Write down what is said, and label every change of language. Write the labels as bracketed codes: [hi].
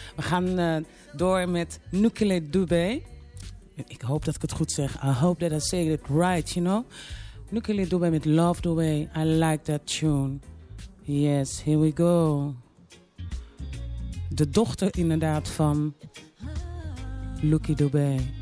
[nl] We gaan door met Nuclear Dubé. Ik hoop dat ik het goed zeg. [en] I hope that I say it right, you know. [nl] Nuclear Dubé met Love the Way. [en] I like that tune. Yes, here we go. [nl] de dochter inderdaad van Lucky Dubé.